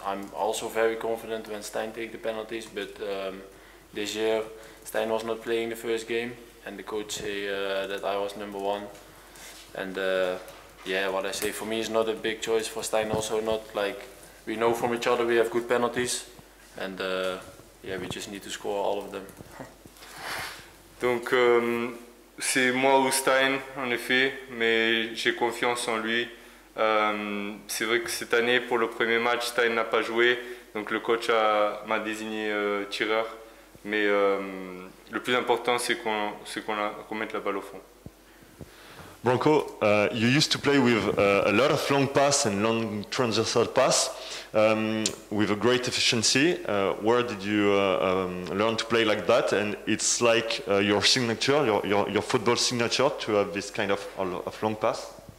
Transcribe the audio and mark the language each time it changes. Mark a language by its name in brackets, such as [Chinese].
[English] I'm also very confident when Stijn take the penalties, but this year Stijn was not playing the first game and the coach say that I was number one, and yeah, what I say for me is not a big choice, for Stijn also not. Like, we know from each other we have good penalties, and yeah, we just need to score all of them. [French] Donc c'est moi ou Stijn, en effet, mais j'ai confiance en lui. C'est vrai que cette année, pour le premier match, Stijn n'a pas joué, donc le coach m'a désigné tireur. Mais le plus important, c'est qu'on mette la balle au fond. [English] Bronco, you used to play with a lot of long pass and long transversal pass with a great efficiency. Where did you learn to play like that? And it's like your signature, your football signature, to have this kind of long pass?